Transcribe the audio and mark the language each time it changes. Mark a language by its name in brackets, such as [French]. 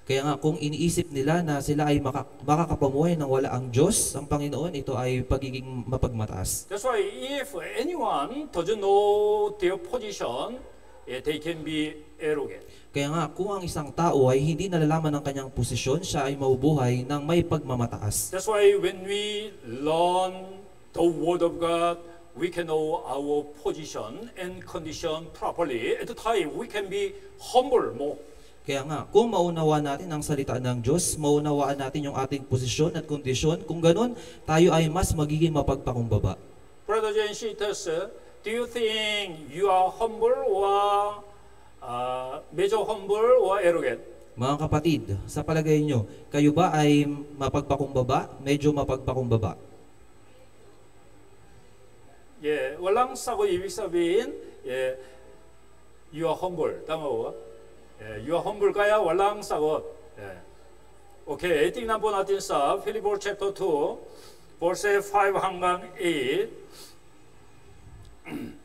[Filipino] Kaya nga, kung iniisip nila na sila ay makakapamuhay nang wala ang Diyos, ang Panginoon, ito ay pagiging mapagmataas. [English] That's why if anyone doesn't know their position, they can be arrogant. [Filipino] Kaya nga, kung ang isang tao ay hindi nalalaman ng kanyang posisyon, siya ay mabubuhay nang may pagmamataas. [English] That's why when we learn the Word of God, we can know our position and condition properly. At the time, we can be humble more. [Filipino] Kaya nga, kung maunawaan natin ang salita ng Diyos, maunawaan natin yung ating posisyon at kondisyon, kung ganun, tayo ay mas magiging mapagpakumbaba. [English] Brothers and sisters, do you think you are humble or medyo humble or arrogant? [Filipino] Mga kapatid, sa palagay nyo, kayo ba ay mapagpakumbaba, medyo mapagpakumbaba? Yeah, walang sago ibig sabihin, yeah, [English] you are humble. [Filipino] Tama ba? [English] Yeah, you are humble [Filipino] kaya walang sagot. Yeah. Okay, tingnan po natin sa Philippians chapter 2, verse 5 hanggang 8.